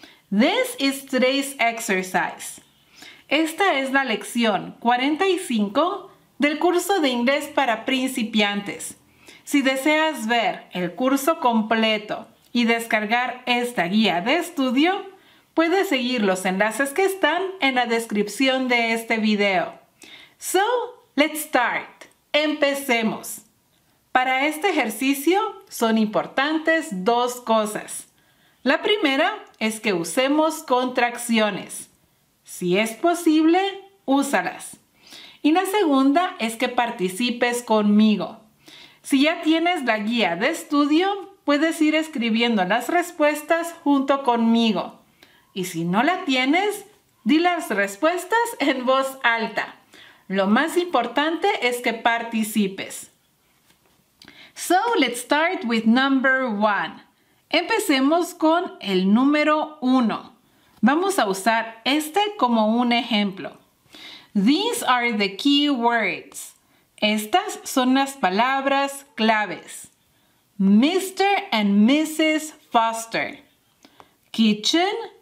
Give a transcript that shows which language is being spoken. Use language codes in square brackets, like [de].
[en] This is today's exercise. [es] Esta es la lección 45 del curso de inglés para principiantes. Si deseas ver el curso completo y descargar esta guía de estudio, puedes seguir los enlaces que están en la descripción de este video. [en] So, let's start. [es] Empecemos. Para este ejercicio son importantes dos cosas. La primera es que usemos contracciones. Si es posible, úsalas. Y la segunda es que participes conmigo. Si ya tienes la guía de estudio, puedes ir escribiendo las respuestas junto conmigo. Y si no la tienes, di las respuestas en voz alta. Lo más importante es que participes. [en] So, let's start with number one. [es] Empecemos con el número uno. Vamos a usar este como un ejemplo. [en] These are the key words. [es] Estas son las palabras claves. [en] Mr. and Mrs. Foster. Kitchen.